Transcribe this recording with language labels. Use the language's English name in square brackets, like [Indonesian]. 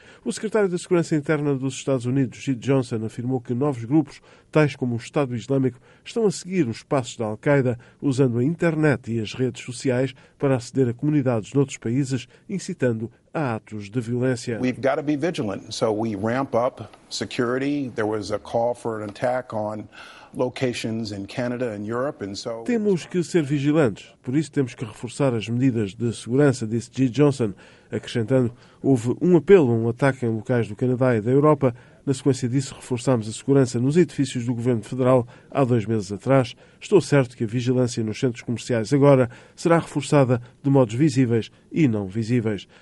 [Portuguese] O secretário da Segurança Interna dos Estados Unidos, G. Johnson, afirmou que novos grupos, tais como o Estado Islâmico, estão a seguir os passos da Al-Qaeda, usando a internet e as redes sociais para aceder a comunidades noutros países, incitando a atos de violência. [English] We've got to be vigilant, so we ramp up security. There was a call for an attack on locations in Canada and Europe, and so [Portuguese] temos que ser vigilantes. Por isso temos que reforçar as medidas de segurança, disse G. Johnson, acrescentando: houve um apelo a um ataque em locais do Canadá e da Europa. Na sequência disso, reforçámos a segurança nos edifícios do Governo Federal há 2 meses atrás. Estou certo que a vigilância nos centros comerciais agora será reforçada de modos visíveis e não visíveis.